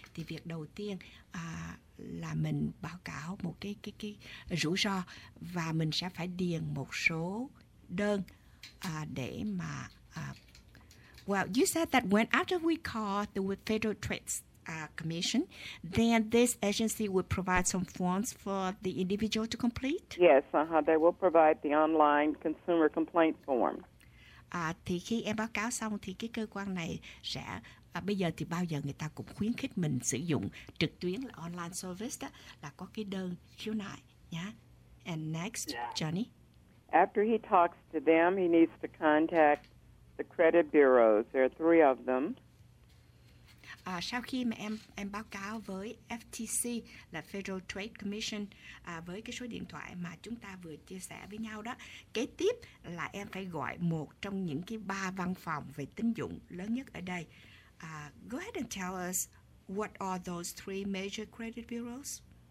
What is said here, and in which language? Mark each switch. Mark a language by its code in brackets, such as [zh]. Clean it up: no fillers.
[vi] Thì việc đầu tiên là mình báo cáo một cái rủi ro, và mình sẽ phải điền một số đơn để mà [en] well, you said that when after we call the Federal Trade Commission, then this agency will provide some forms for the individual to complete? Yes, they will provide the online consumer complaint form. [vi] Thì khi em báo cáo xong thì cái cơ quan này sẽ bây giờ thì bao giờ người ta cũng khuyến khích mình sử dụng trực tuyến là online service đó, là có cái đơn khiếu nại nhá. [en] And next, yeah. Johnny. After he talks to them, he needs to contact the credit bureaus. There are three of them. [vi] Sau khi mà em báo cáo với FTC là Federal Trade Commission với cái số điện thoại mà chúng ta vừa chia sẻ với nhau đó, kế tiếp là em phải gọi một trong những cái ba văn phòng về tín dụng lớn nhất ở đây. [en] Go ahead and tell us what are those three major credit bureaus.